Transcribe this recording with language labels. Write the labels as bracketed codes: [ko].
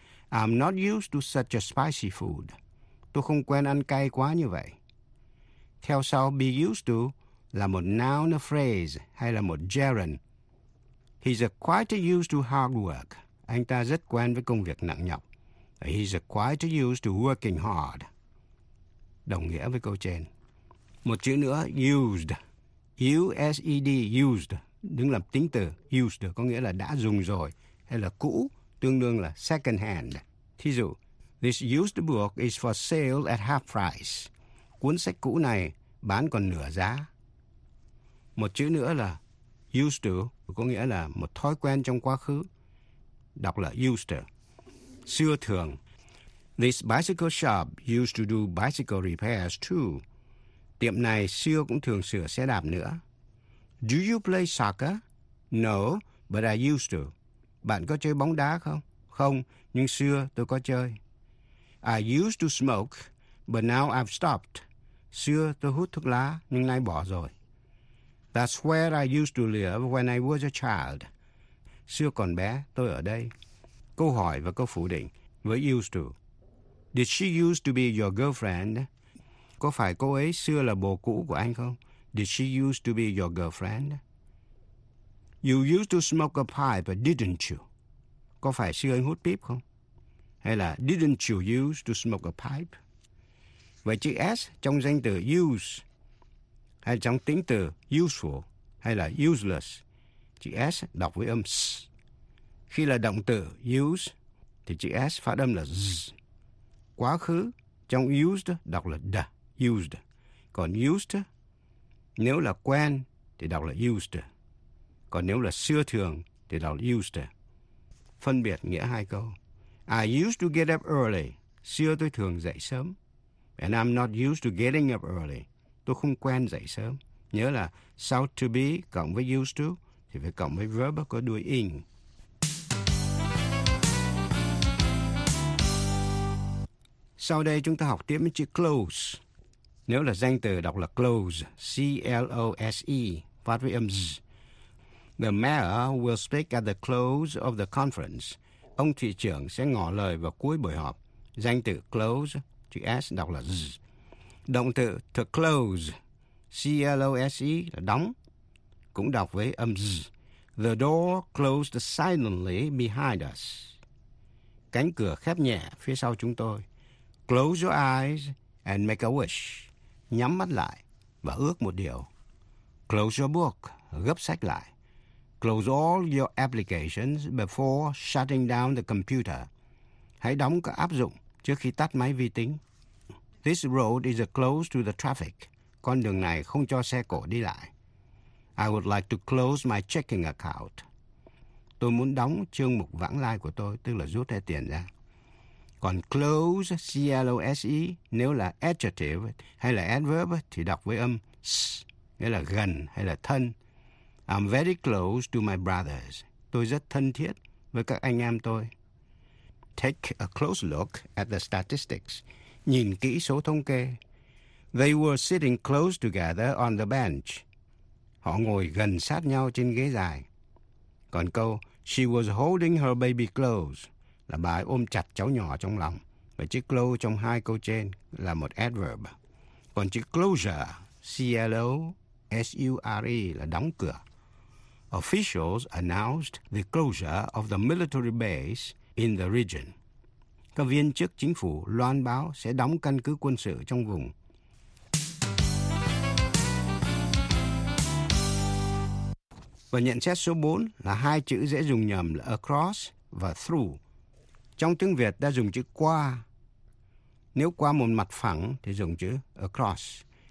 [en] I'm not used to such a spicy food. [vi] Tôi không quen ăn cay quá như vậy. Theo sau be used to là một noun, a phrase hay là một gerund. [en] He's a quite used to hard work. [vi] Anh ta rất quen với công việc nặng nhọc. [en] He's a quite used to working hard. [vi] Đồng nghĩa với câu trên. Một chữ nữa, used. [en] U-S-E-D, used. [vi] Đứng làm tính từ, used có nghĩa là đã dùng rồi, hay là cũ, tương đương là second hand. Thí dụ, [en] this used book is for sale at half price. [vi] Cuốn sách cũ này bán còn nửa giá. Một chữ nữa là used to, có nghĩa là một thói quen trong quá khứ. Đọc là used to. Xưa thường. [en] This bicycle shop used to do bicycle repairs too. [vi] Tiệm này xưa cũng thường sửa xe đạp nữa. [en] Do you play soccer? No, but I used to. [vi] Bạn có chơi bóng đá không? Không, nhưng xưa tôi có chơi. [en] I used to smoke, but now I've stopped. [vi] Xưa tôi hút thuốc lá, nhưng nay bỏ rồi. [en] That's where I used to live when I was a child. [vi] Xưa còn bé, tôi ở đây. Câu hỏi và câu phủ định với used to. [en] Did she used to be your girlfriend? [vi] Có phải cô ấy xưa là bồ cũ của anh không? [en] Did she used to be your girlfriend? You used to smoke a pipe, didn't you? [vi] Có phải xưa anh hút pip không? Hay là [en] didn't you used to smoke a pipe? [vi] Vậy chữ S trong danh từ use hay trong tính từ useful hay là useless, chữ S đọc với âm s. Khi là động từ use thì chữ S phát âm là z. Quá khứ trong used đọc là d, used. Còn used nếu là quen thì đọc là used. Còn nếu là xưa thường thì đọc là used. Phân biệt nghĩa hai câu. [en] I used to get up early. [vi] Xưa tôi thường dậy sớm. [en] And I'm not used to getting up early. [vi] Tôi không quen dậy sớm. Nhớ là sau to be cộng với used to thì phải cộng với verb có đuôi in. Sau đây chúng ta học tiếp với chữ close. Nếu là danh từ đọc là close, C-L-O-S-E, phát với âm z. [en] The mayor will speak at the close of the conference. [vi] Ông thị trưởng sẽ ngỏ lời vào cuối buổi họp. Danh từ close, chữ S đọc là z. Động từ to close, C-L-O-S-E, là đóng, cũng đọc với âm z. [en] The door closed silently behind us. [vi] Cánh cửa khép nhẹ phía sau chúng tôi. [en] Close your eyes and make a wish. [vi] Nhắm mắt lại và ước một điều. [en] Close your book, [vi] gấp sách lại. [en] Close all your applications before shutting down the computer. [vi] Hãy đóng các áp dụng trước khi tắt máy vi tính. [en] This road is closed to the traffic. [vi] Con đường này không cho xe cộ đi lại. [en] I would like to close my checking account. [vi] Tôi muốn đóng chương mục vãng lai của tôi, tức là rút hết tiền ra. Còn close, C-L-O-S-E, nếu là adjective hay là adverb thì đọc với âm s, nghĩa là gần hay là thân. [en] I'm very close to my brothers. [vi] Tôi rất thân thiết với các anh em tôi. [en] Take a close look at the statistics. [vi] Nhìn kỹ số thống kê. [en] They were sitting close together on the bench. [vi] Họ ngồi gần sát nhau trên ghế dài. Còn câu, [en] she was holding her baby close, [vi] là bà ấy ôm chặt cháu nhỏ trong lòng. Và chữ close trong hai câu trên là một adverb. Còn chữ closure, C-L-O-S-U-R-E, là đóng cửa. [en] Officials announced the closure of the military base in the region. [vi] Các viên chức chính phủ loan báo sẽ đóng căn cứ quân sự trong vùng. Và nhận xét số 4 là hai chữ dễ dùng nhầm là across và through. Trong tiếng Việt ta dùng chữ qua. Nếu qua một mặt phẳng thì dùng chữ across.